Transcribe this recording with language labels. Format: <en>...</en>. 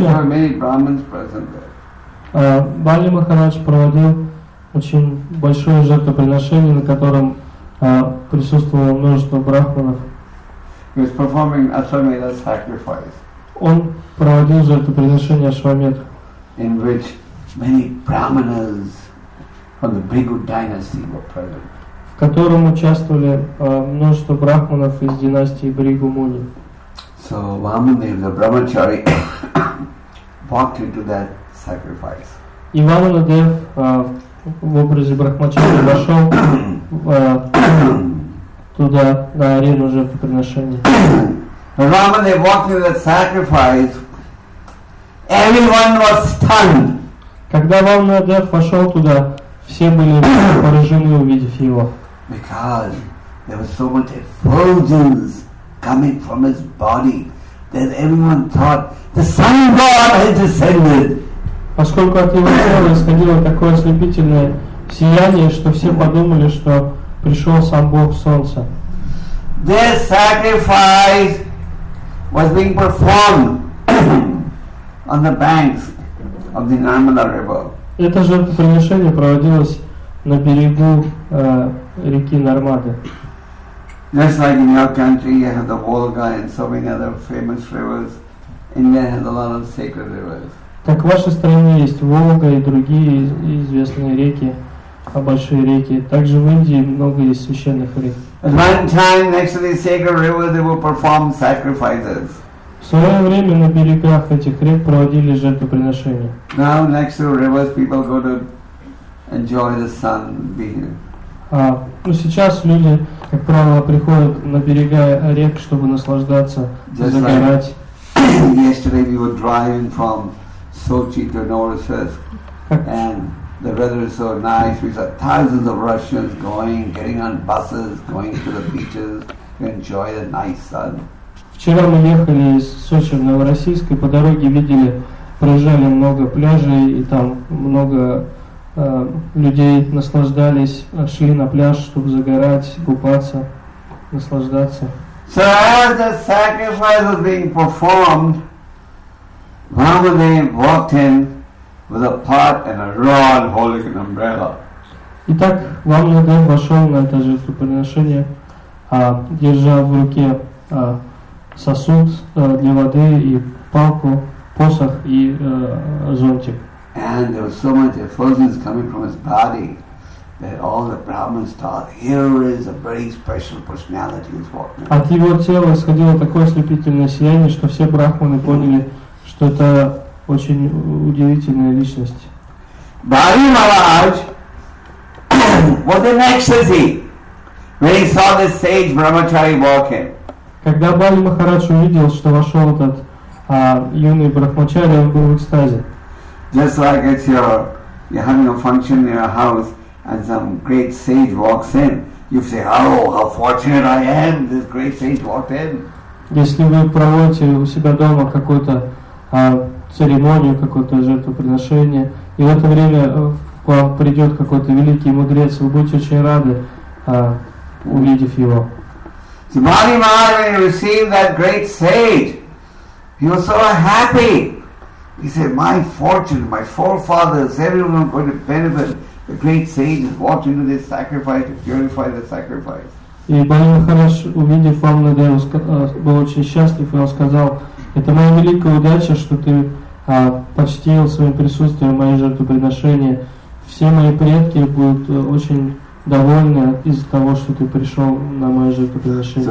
<en>there were many Brahmins present there.</en> <ru>Бали Махарадж проводил очень большое жертвоприношение, на котором присутствовало множество брахманов.</ru> <en>He was performing Ashwamedha sacrifice.</en> <ru>он проводил же это приношение Ашваметха,</ru> <en>in which many brahmanas from the Bhrigu dynasty were present.</en> <ru>В котором участвовали множество брахманов из династии Бригу Муни.</ru> <en>So Vamadeva, the brahmachari, walked into that sacrifice.</en> <ru>И Вамадев в образе брахмачари вошел туда, на арену жертвоприношения.</ru> <en>When Vamadeva walked into that sacrifice, everyone was stunned.</en> <ru>Когда Вамадев вошел туда, все были поражены, увидев его.</ru> <en>Because there was so much effulgence coming from his body that everyone thought the sun god had descended.</en> <ru>Поскольку от его тела исходило такое ослепительное сияние, что все подумали, что пришел сам Бог Солнца.</ru> <en>This sacrifice was being performed on the banks of the Narmada River.</en> <ru>Это жертвоприношение проводилось на берегу реки Нармады.</ru> <en>Just like in your country, you have the Volga and so many other famous rivers. India has a lot of sacred rivers.</en> <ru>Так в вашей стране есть Волга и другие известные реки, а большие реки. Также в Индии много есть священных рек.</ru> <en>At one time, next to the sacred river, they will perform sacrifices.</en> <ru>В свое время на берегах этих рек проводили жертвоприношения.</ru> <en>Now next to rivers, people go to enjoy the sun being.</en> <ru>Ну сейчас люди, как правило, приходят на берега рек, чтобы наслаждаться,</ru> <en>just</en> <ru>загорать.</ru> <en>Like yesterday we were driving from Sochi to Novosibirsk, and the weather is so nice. We saw thousands of Russians going, getting on buses, going to the beaches to enjoy the nice sun.</en> <ru>Вчера мы ехали из Сочи в Новороссийск, и по дороге видели, проезжали много пляжей, и там много людей наслаждались, шли на пляж, чтобы загорать, купаться, наслаждаться.</ru> <en>So as the sacrifice was being performed, Vamadeva walked in with a pot and a rod holding an umbrella.</en> <ru>Итак, Вамадеев вошел на это жертвоприношение, держа в руке сосуд для воды и палку, посох и зонтик.</ru> <en>And there was so much effulgence coming from his body that all the brahmins thought, here is a very special personality who's walking.</en> <ru>От его тела исходило такое ослепительное сияние, что все брахманы поняли, что это очень удивительная личность.</ru> <en>Bali Maharaj was in ecstasy when he saw this sage brahmachari walking.</en> <ru>Когда Бали Махарадж увидел, что вошел этот юный брахмачари, он был в экстазе.</ru> <en>Just like it's you're having a function in your house and some great sage walks in, you say, oh, how fortunate I am, this great sage walked in.</en> <ru>Если вы проводите у себя дома какую-то церемонию, какое-то жертвоприношение, и в это время к вам придет какой-то великий мудрец, вы будете очень рады, увидев его.</ru> <en>So Bali Maharaj received that great sage. He was so happy. He said, my fortune, my forefathers, everyone is going to benefit. The great sage has walked into this sacrifice to purify the sacrifice.</en> <ru>И Бали Махарадж, увидев Вамадеву, был очень счастлив, и он сказал, это моя великая удача, что ты почтил своим присутствием мои жертвоприношения. Все мои предки будут очень довольны из-за того, что ты пришел на мое жертвоприношение.</ru>